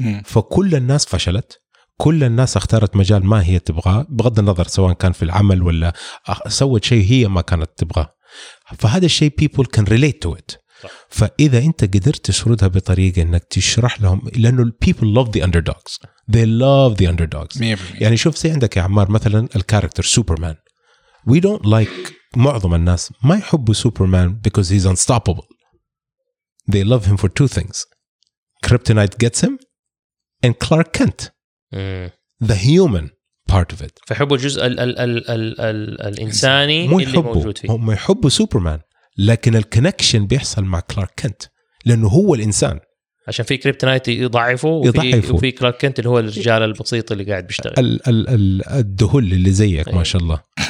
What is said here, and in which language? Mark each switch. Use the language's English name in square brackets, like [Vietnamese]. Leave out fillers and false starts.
[Arabic] فكل الناس فشلت، كل الناس اختارت مجال ما هي تبغاه، بغض النظر سواء كان في العمل ولا سوت شيء هي ما كانت تبغاه، فهذا الشيء [English] people can relate to it. [Arabic] فإذا أنت قدرت تسردها بطريقة أنك تشرح لهم، لأنه [English] people love the underdogs، they love the underdogs. [Arabic] يعني شوف زي عندك يا عمار مثلا الكاركتر سوبرمان، [English] we don't like، [Arabic] معظم الناس ما يحبوا سوبرمان [English] because he's unstoppable، they love him for two things، kryptonite gets him and Clark Kent. The human part of it. [Arabic] فحبوا الجزء ال- ال- ال- ال- ال- الإنساني اللي يحبوا. موجود فيه. هم يحبوا سوبرمان لكن الكونكشن بيحصل مع كلارك كنت لأنه هو الإنسان. عشان في كريبتونايت يضعفه وفي كلارك كنت اللي هو الرجال البسيط اللي قاعد بيشتغل. ال- ال- الدهول اللي زيك ما شاء الله.